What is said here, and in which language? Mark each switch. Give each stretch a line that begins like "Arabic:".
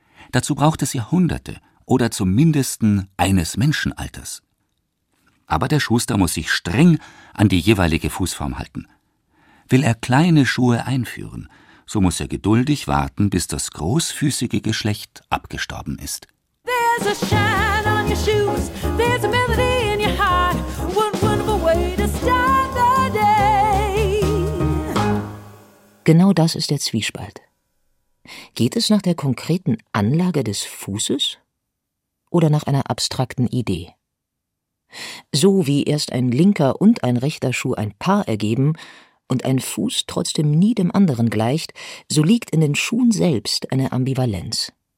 German: Dazu braucht es Jahrhunderte oder zumindest eines Menschenalters. Aber der Schuster muss sich streng an die jeweilige Fußform halten. Will er kleine Schuhe einführen, so muss er geduldig warten, bis das großfüßige Geschlecht abgestorben ist.
English: There's a shine on your shoes, there's a melody in your heart, one wonderful way to start the day.
German: Genau das ist der Zwiespalt. Geht es nach der konkreten Anlage des Fußes oder nach einer abstrakten Idee? So wie erst ein linker und ein rechter Schuh ein Paar ergeben und ein Fuß trotzdem nie dem anderen gleicht, so liegt in den Schuhen selbst eine Ambivalenz.